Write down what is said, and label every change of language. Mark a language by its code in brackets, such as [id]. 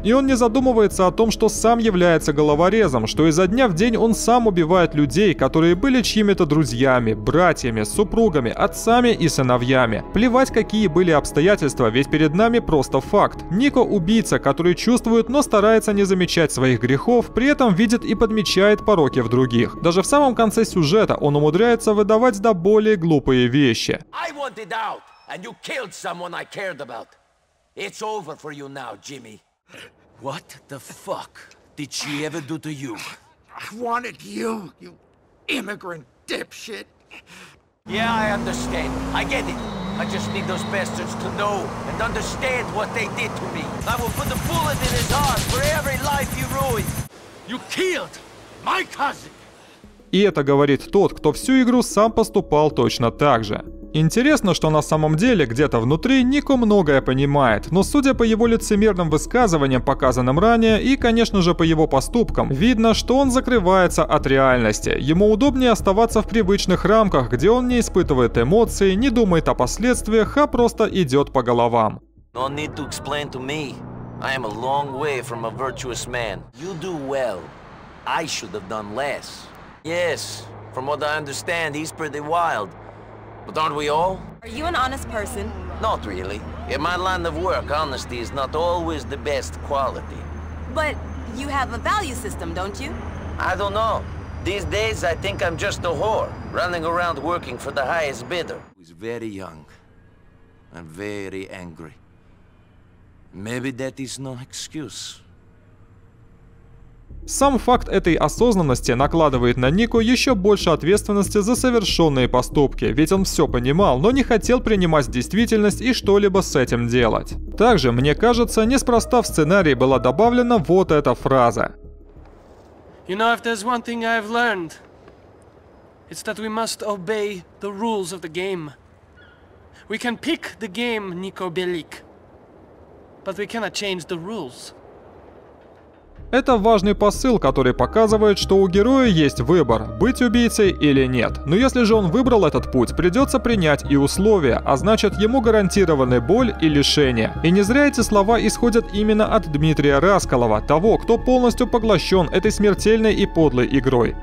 [ru] И он не задумывается о том, что сам является головорезом, что изо дня в день он сам убивает людей, которые были чьими-то друзьями, братьями, супругами, отцами и сыновьями. Плевать, какие были обстоятельства, ведь перед нами просто факт. Нико — убийца, который чувствует, но старается не замечать своих грехов, при этом видит и подмечает пороки в других. Даже в самом конце сюжета он умудряется выдавать до боли глупые вещи. [en] I wanted out, and you killed someone I cared about. It's over for you now, Jimmy. What the fuck did she ever do to you? I wanted you, you immigrant dipshit. Yeah, I understand. I get it. I just need those bastards to know and understand what they did to me. I will put a bullet in his heart for every life you ruined. You killed my cousin. [ru] И это говорит тот, кто всю игру сам поступал точно так же. Интересно, что на самом деле где-то внутри Нико многое понимает, но судя по его лицемерным высказываниям, показанным ранее, и, конечно же, по его поступкам, видно, что он закрывается от реальности. Ему удобнее оставаться в привычных рамках, где он не испытывает эмоций, не думает о последствиях, а просто идет по головам. [en] No need to explain to me. I am a long way from a virtuous man. You do well. I should have done less. Yes, from what I understand, he's pretty wild. But aren't we all? Are you an honest person? Not really. In my line of work, honesty is not always the best quality. But you have a value system, don't you? I don't know. These days, I think I'm just a whore, running around working for the highest bidder. He's very young and very angry. Maybe that is no excuse. [ru] Сам факт этой осознанности накладывает на Нико еще больше ответственности за совершенные поступки, ведь он все понимал, но не хотел принимать действительность и что-либо с этим делать. Также, мне кажется, неспроста в сценарий была добавлена вот эта фраза. [en] You know, if there's one thing I've learned, it's that we must obey the rules of the game. We can pick the game, Nico Bellic, but we cannot change the rules. [ru] Это важный посыл, который показывает, что у героя есть выбор, быть убийцей или нет. Но если же он выбрал этот путь, придется принять и условия, а значит, ему гарантированы боль и лишение. И не зря эти слова исходят именно от Дмитрия Раскалова, того, кто полностью поглощен этой смертельной и подлой игрой.